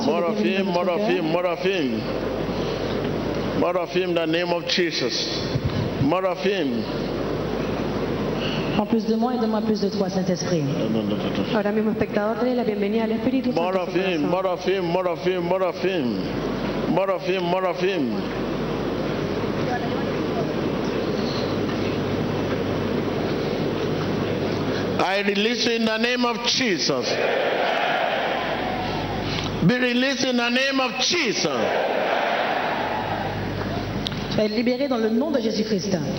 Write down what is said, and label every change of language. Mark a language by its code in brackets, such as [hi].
[en] More of Him, more of Him, more of Him. More of Him, the name of Jesus. More of Him. [fr] En plus de moi et de moi plus de toi, Saint-Esprit. [es] Ahora mismo, espectador, tenés la bienvenida al Espíritu Santo. [en] More of Him, more of Him, more of Him, more of Him. More of Him, more of Him. I release you in the name of Jesus. Be released in the name of Jesus. [fr] Soyez libéré dans le nom de Jésus-Christ.